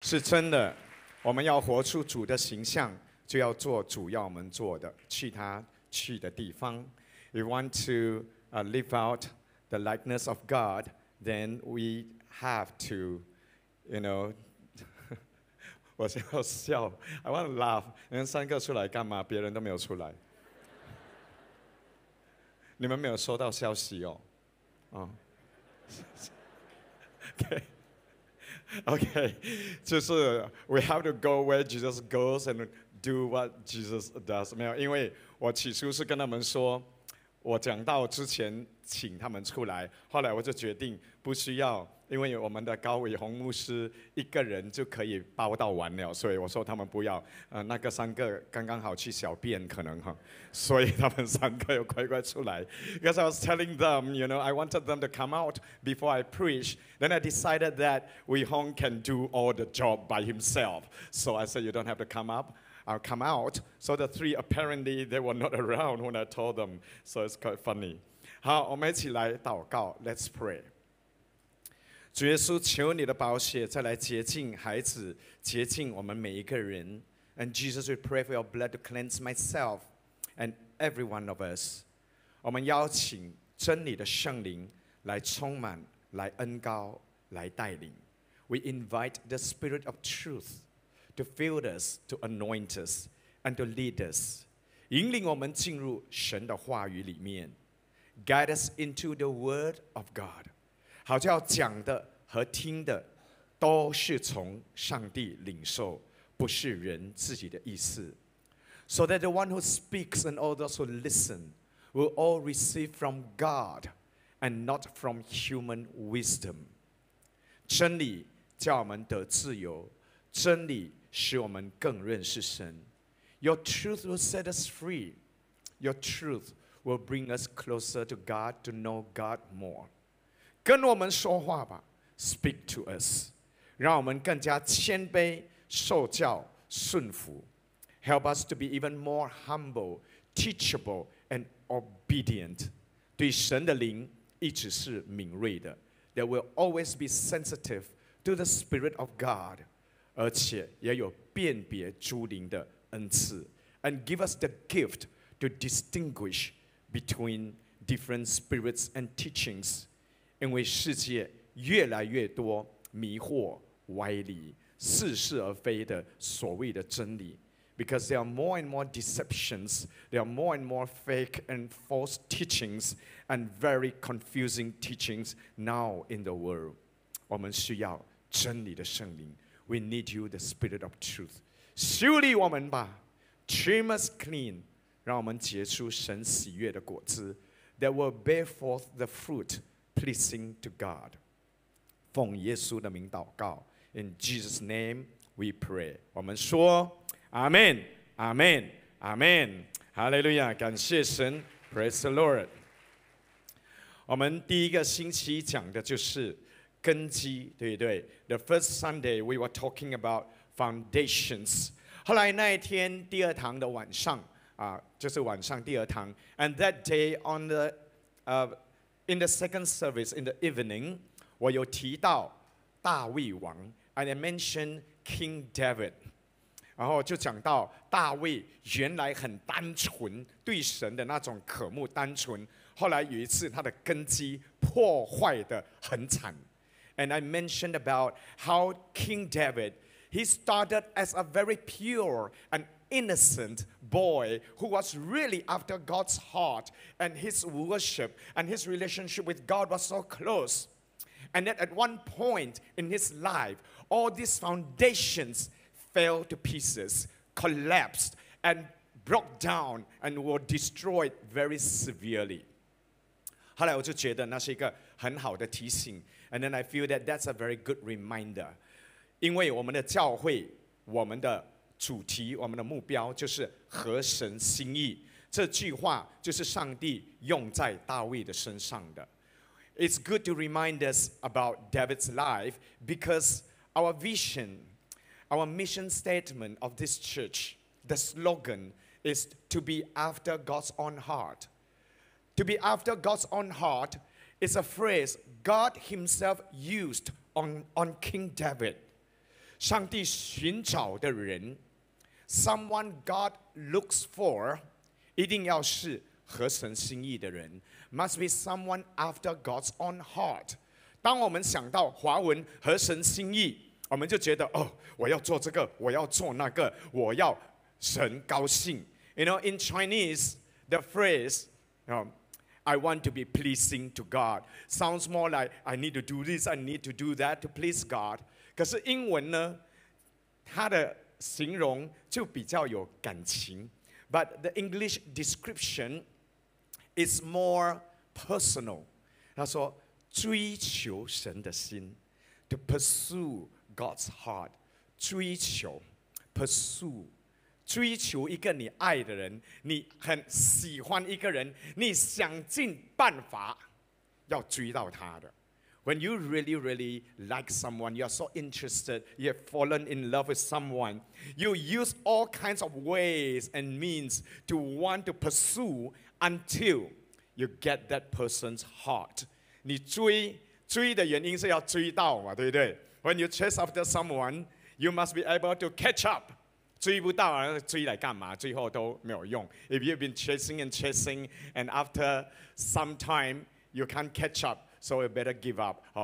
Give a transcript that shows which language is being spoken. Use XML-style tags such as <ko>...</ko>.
<zh>是真的，我们要活出主的形象，就要做主要我们做的，去他去的地方。</zh> <en>We want to live out the likeness of God, then we have to, you know,</en> <zh>我想要笑</zh> <en>，I want to laugh。</en> <zh>你们三个出来干嘛？别人都没有出来，你们没有收到消息哦，哦、</zh> <en>okay,</en> <zh>就是</zh> <en>we have to go where Jesus goes and do what Jesus does。</en> <zh>没有，因为我起初是跟他们说，我讲到之前请他们出来，后来我就决定不需要，因为我们的高伟宏牧师一个人就可以报道完了，所以我说他们不要，那个三个刚刚好去小便可能哈，所以他们三个又乖乖出来。</zh> <en>Because I was telling them, you know, I wanted them to come out before I preach. Then I decided that Wei Hong can do all the job by himself. So I said, you don't have to come up. I'll come out. So the three apparently they were not around when I told them. So it's quite funny.</en> <zh>好，我们一起来祷告。</zh> <en>Let's pray.</en> <zh>主耶稣，求你的宝血再来洁净孩子，洁净我们每一个人。</zh> <en>And Jesus, we pray for your blood to cleanse myself and every one of us.</en> <zh>我们邀请真理的圣灵来充满，来恩膏，来带领。</zh> <en>We invite the Spirit of Truth. To fill us, to anoint us, and to lead us.</en> <zh>引领我们进入神的话语里面。</zh> <en>Guide us into the word of God.</en> <zh>好叫讲的和听的都是从上帝领受，不是人自己的意思。</zh> <en>So that the one who speaks and all those who listen will all receive from God and not from human wisdom.</en> <zh>真理叫我们得自由，真理使我们更认识神。</zh> <en>Your truth will set us free. Your truth will bring us closer to God, to know God more.</en> <zh>跟我们说话吧，</zh> <en>speak to us.</en> <zh>让我们更加谦卑，受教，顺服。</zh> <en>Help us to be even more humble, teachable, and obedient.</en> <zh>对神的灵一直是敏锐的，</zh> <en>that will always be sensitive to the Spirit of God.</en> <zh>而且也有辨别诸灵的恩赐。</zh> <en>And give us the gift to distinguish between different spirits and teachings.</en> <zh>因为世界越来越多迷惑歪理，似是而非的所谓的真理。</zh> <en>Because there are more and more deceptions, there are more and more fake and false teachings and very confusing teachings now in the world.</en> <zh>我们需要真理的圣灵。</zh> <en>We need you, the Spirit of Truth.</en> <zh>修理我们吧，</zh> <en>trim us clean,</en> <zh>让我们结出神喜悦的果子，</zh> <en>that will bear forth the fruit pleasing to God.</en> <zh>奉耶稣的名祷告，</zh> <en>in Jesus' name we pray.</en> <zh>我们说 Amen, Amen, Amen.</zh> <en>Hallelujah,</en> <zh>感谢神，</zh> <en>praise the Lord.</en> <zh>我们第一个星期讲的就是根基，对对。</zh> <en>The first Sunday we were talking about foundations.</en> <zh>后来那一天第二堂的晚上啊，就是晚上第二堂。</zh> <en>And that day on the in the second service in the evening,</en> <zh>我有提到大卫王</zh> <en>，and I mentioned King David.</en> <zh>然后就讲到大卫原来很单纯，对神的那种渴慕单纯。后来有一次他的根基破坏的很惨。</zh> <en>And I mentioned about how King David, he started as a very pure and innocent boy who was really after God's heart and his worship and his relationship with God was so close. And that at one point in his life, all these foundations fell to pieces, collapsed and broke down and were destroyed very severely.</en> <zh>后来我就觉得那是一个很好的提醒。</zh> <en>And then I feel that that's a very good reminder.</en> <zh>因为我们的教会，我们的主题，我们的目标就是合神心意。这句话就是上帝用在大卫的身上的。</zh> <en>It's good to remind us about David's life because our vision, our mission statement of this church, the slogan is to be after God's own heart. To be after God's own heart is a phrase God himself used on King David.</en> <zh>上帝寻找的人</zh> <en>someone God looks for</en> <zh>一定要是合神心意的人</zh> <en>must be someone after God's own heart。</en> <zh>当我们想到华文合神心意，我们就觉得哦，我要做这个，我要做那个，我要神高兴。</zh> <en>You know, in Chinese, the phrase, I want to be pleasing to God sounds more like I need to do this, I need to do that to please God.</en> <zh>可是英文呢，它的形容就比较有感情。</zh> <en>But the English description is more personal.</en> <zh>他说追求神的心，</zh> <en>to pursue God's heart,</en> <zh>追求</zh> <en>pursue</en> <zh>追求一个你爱的人，你很喜欢一个人，你想尽办法要追到他的。</zh> <en>When you really, really like someone, you are so interested, you have fallen in love with someone, you use all kinds of ways and means to want to pursue until you get that person's heart.</en> <zh>你追，追的原因是要追到嘛，对不对？</zh> <en>When you chase after someone, you must be able to catch up.</en> <zh>追不到，追来干嘛？最后都没有用。</zh> <en>If you've been chasing and chasing, and after some time you can't catch up, so you better give up.</en>